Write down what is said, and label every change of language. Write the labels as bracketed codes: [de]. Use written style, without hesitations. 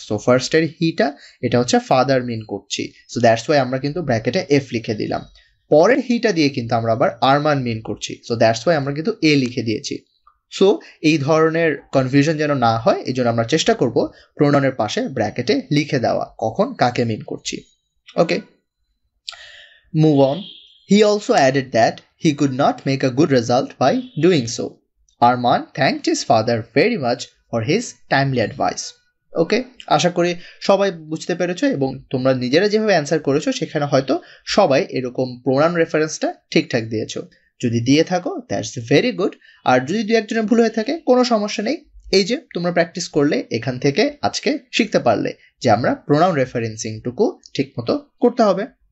[bn] So ফার্স্টের হিটা, এটা হচ্ছে ফাদার মিন করছি, [en] so that's why [bn] আমরা কিন্তু ব্র্যাকেটে এফ লিখে দিলাম। পরের হিটা দিয়ে কিন্তু আমরা আবার আরমান মিন করছি, [en] so that's why [bn] আমরা কিন্তু এ লিখে দিয়েছি। সো এই ধরনের কনফিউশন যেন না হয় এই জন্য আমরা চেষ্টা করব প্রোনাউনের পাশে ব্র্যাকেটে লিখে দেওয়া কখন কাকে মিন করছি। [en] Okay, move on. He also added that he could not make a good result by doing so. Arman thanked his father very much for his timely advice. [bn] Okay, আশা করি সবাই বুঝতে পেরেছো এবং তোমরা নিজেরা যেভাবে অ্যান্সার করেছো সেখানে হয়তো সবাই এরকম প্রোনাউন রেফারেন্সটা ঠিকঠাক দিয়েছো। যদি দিয়ে থাকো [en] that's very good, [bn] আর যদি দু একজনের ভুল হয়ে থাকে কোনো সমস্যা নেই, এই যে তোমরা প্র্যাকটিস করলে, এখান থেকে আজকে শিখতে পারলে যে আমরা প্রোনাউন রেফারেন্সিংটুকু ঠিকমতো করতে হবে।